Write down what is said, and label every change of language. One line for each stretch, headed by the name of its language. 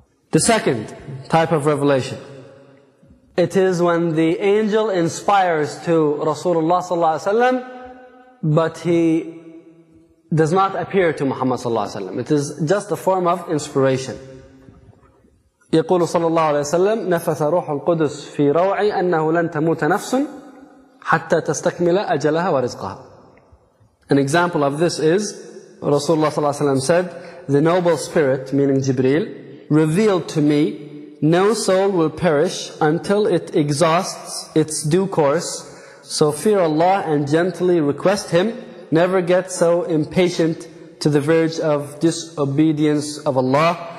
English: The second type of revelation, it is when the angel inspires to Rasulullah sallallahu alaihi wasallam, but he does not appear to Muhammad sallallahu alaihi wasallam. It is just a form of inspiration.
Arabic: يقول صلى الله عليه وسلم نفث روح القدس في روعي أنه لن تموت نفس حتى تستكمل أجلها ورزقها.
English: An example of this is Rasulullah sallallahu alaihi wasallam said, "The noble spirit, meaning Jibril, revealed to me, no soul will perish until it exhausts its due course. So fear Allah and gently request Him. Never get so impatient to the verge of disobedience of Allah.